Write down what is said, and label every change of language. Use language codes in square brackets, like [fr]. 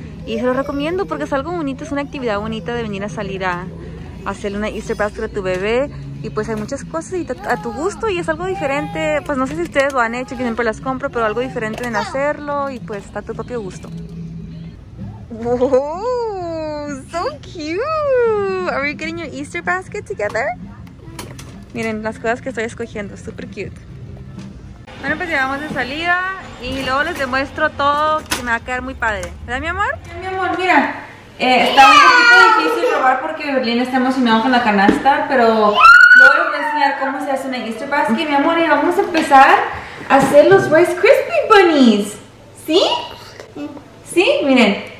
[es] Y se los recomiendo porque es algo bonito, es una actividad bonita de venir a salir a hacer una Easter basket a tu bebé. Y pues hay muchas cosas y a tu gusto y es algo diferente. Pues no sé si ustedes lo han hecho, que siempre las compro, pero algo diferente en hacerlo y pues está a tu propio gusto. [en] Whoa, so cute. Are we getting your Easter basket together? [es] Miren las cosas que estoy escogiendo, [en] super cute. [es] Bueno, pues ya vamos de salida y luego les demuestro todo que me va a quedar muy padre. ¿Verdad, mi amor? Sí, mi amor, mira. Está un poquito difícil probar porque Berlín está emocionado con la canasta, pero luego les voy a enseñar cómo se hace una Easter basket, mi amor, y vamos a empezar a hacer los Rice Krispie Bunnies. ¿Sí? Sí, miren.